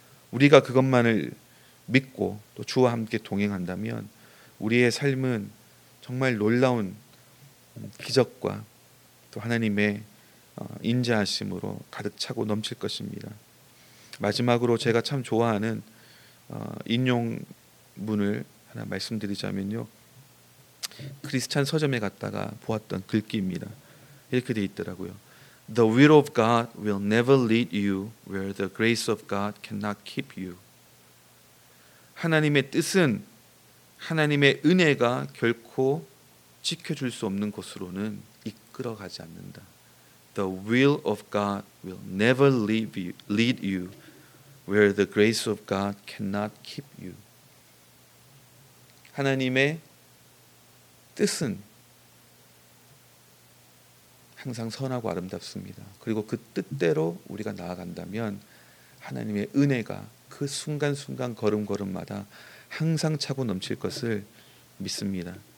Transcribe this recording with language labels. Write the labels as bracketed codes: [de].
[ko] 우리가 그것만을 믿고 또 주와 함께 동행한다면 우리의 삶은 정말 놀라운 기적과 또 하나님의 인자하심으로 가득 차고 넘칠 것입니다. 마지막으로 제가 참 좋아하는 인용문을 하나 말씀드리자면요, 크리스찬 서점에 갔다가 보았던 글귀입니다. 이렇게 되어 있더라고요. [en] The will of God will never lead you where the grace of God cannot keep you. [ko] 하나님의 뜻은 하나님의 은혜가 결코 지켜줄 수 없는 곳으로는 이끌어가지 않는다. [en] The will of God will never lead you where the grace of God cannot keep you. [ko] 하나님의 뜻은 항상 선하고 아름답습니다. 그리고 그 뜻대로 우리가 나아간다면 하나님의 은혜가 그 순간순간 걸음걸음마다 항상 차고 넘칠 것을 믿습니다.